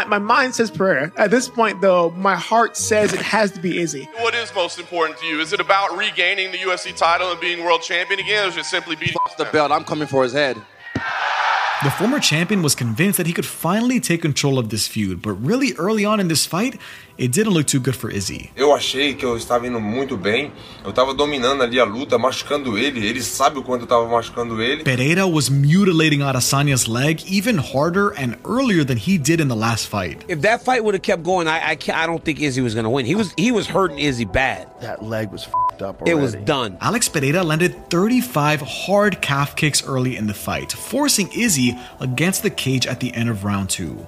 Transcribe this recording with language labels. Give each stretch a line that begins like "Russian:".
English: My mind says Pereira. At this point, though, my heart says it has to be Izzy. What is most important to you? Is it about regaining the UFC title and being world champion again, or is it simply beating the belt? I'm coming for his head. The former champion was convinced that he could finally take control of this feud, but really early on in this fight, it didn't look too good for Izzy.
Portuguese: Eu achei que eu estava indo muito bem. Eu estava dominando ali a luta, machucando ele. Ele sabe o quanto eu estava machucando ele.
English: Pereira was mutilating Adesanya's leg even harder and earlier than he did in the last fight. If that fight would have kept going, I don't think Izzy was going to win. He was hurting Izzy bad. That leg was f***ed up already. It was done. Alex Pereira landed 35 hard calf kicks early in the fight, forcing Izzy against the cage at the end of round two.